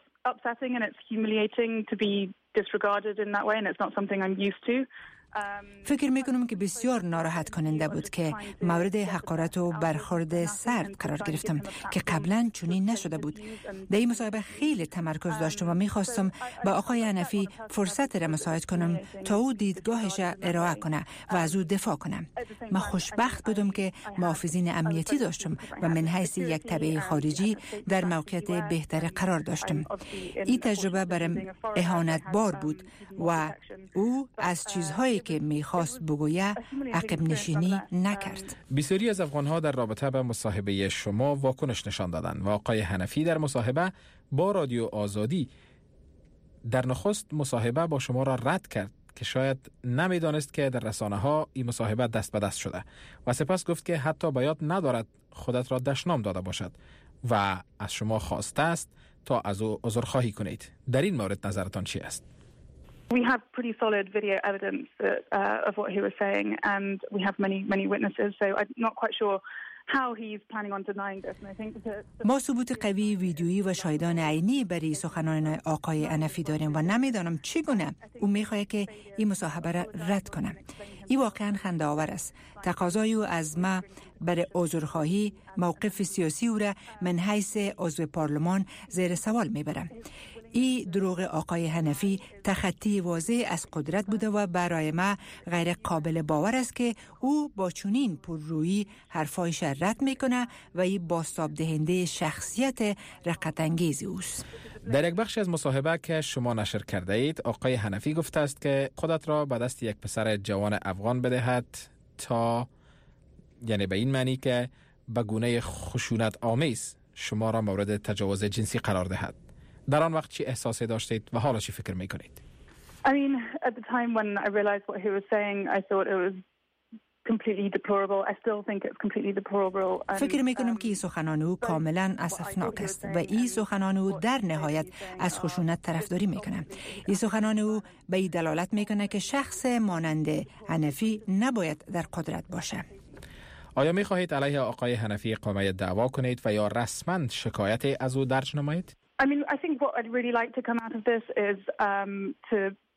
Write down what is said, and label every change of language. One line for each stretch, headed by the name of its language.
English: upsetting and it's humiliating to be disregarded in that way and it's not something I'm used to.
Persian: فکر میکنم که بسیار ناراحت کننده بود که مورد حقارت و برخورد سرد قرار گرفتم که قبلا چنین نشده بود. در این مصاحبه خیلی تمرکز داشتم و میخواستم با آقای حنفی فرصت را مساعد کنم تا او دیدگاهش ارائه کنه و از او دفاع کنم. من خوشبخت بودم که محافظین امنیتی داشتم و من حیث یک تبعه خارجی در موقعیت بهتر قرار داشتم. این تجربه برم اهانت بار بود و او از چیزهای که میخواست بگویه عقب نشینی نکرد. بسیاری از افغانها در رابطه به مصاحبه شما واکنش نشان دادن و آقای حنفی در مصاحبه با رادیو آزادی در نخست مصاحبه با شما را رد کرد که شاید نمیدانست که در رسانه ها این مصاحبه دست به دست شده و سپس گفت که حتی بیاد ندارد خودت را دشنام داده باشد و از شما خواسته است تا از او عذرخواهی کنید. در این مورد نظرتان چی است؟
English: We have pretty solid video evidence of what he was saying and we have many witnesses, so I'm not quite sure how he's planning on denying this.
Persian: ما ثبوت قوی ویدیویی و شاهدان عینی برای سخنان آقای حنفی داریم و نمیدانم چگونه او میخواهد که این مصاحبه را رد کنم. این واقعا خنده آور است. تقاضای او از ما برای عذرخواهی موقف سیاسی او را من حیث عضو پارلمان زیر سوال میبرم. این دروغ آقای حنفی تخطی واضح از قدرت بوده و برای ما غیر قابل باور است که او با چنین پررویی حرفای شرط میکنه و این بازتاب دهنده شخصیت رقت انگیزی اوست. در یک بخش از مصاحبه که شما نشر کرده اید آقای حنفی گفته است که خودت را به دست یک پسر جوان افغان بدهد تا، یعنی به این معنی که به گونه خشونت آمیز شما را مورد تجاوز جنسی قرار دهد. در آن وقت چی احساسی داشتید و حالا چی فکر میکنید؟
English: at the time when I realized what he was saying, I thought it was completely deplorable. I still think it's completely deplorable.
Persian: فکر میکنم که این سخنان او کاملا اسفناک است و این سخنان او در نهایت از خشونت طرفداری میکنم. این سخنان او به این دلالت میکنه که شخص مانند حنفی نباید در قدرت باشه. آیا میخواهید علیه آقای حنفی اقامه دعوا کنید و یا رسما شکایت از او درج نمایید؟
English: I mean, I think what I'd really like to come out of this is to